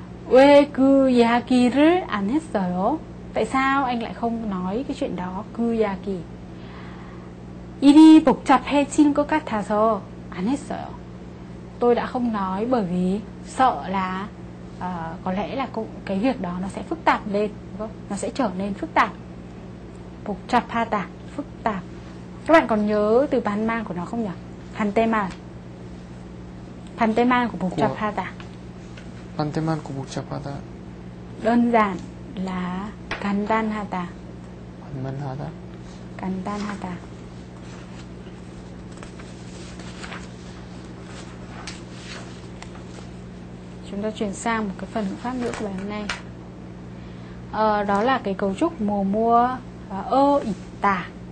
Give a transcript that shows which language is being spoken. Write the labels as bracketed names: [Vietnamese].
[Korean] 왜 그 이야기를 안 했어요? [Vietnamese] Tại sao anh lại không nói cái chuyện đó? [Korean] 그 이야기. 일이 복잡해진 것 같아서 안 했어요. [Vietnamese] Tôi đã không nói bởi vì sợ là có lẽ là cái việc đó nó sẽ phức tạp lên, đúng không? Nó sẽ trở nên phức tạp. 복잡하다, phức tạp. Các bạn còn nhớ từ bản mang của nó không nhỉ? [Korean] 반대말. 반대말 của 복잡하다. 반대말 của 복잡하다. [Vietnamese] Đơn giản là 간단하다. [Korean] 간단하다. 간단하다. [Vietnamese] Chúng ta chuyển sang một cái phần pháp ngữ của bài hôm nay. Đó là cái cấu trúc mùa mua và ơ ỉ tà.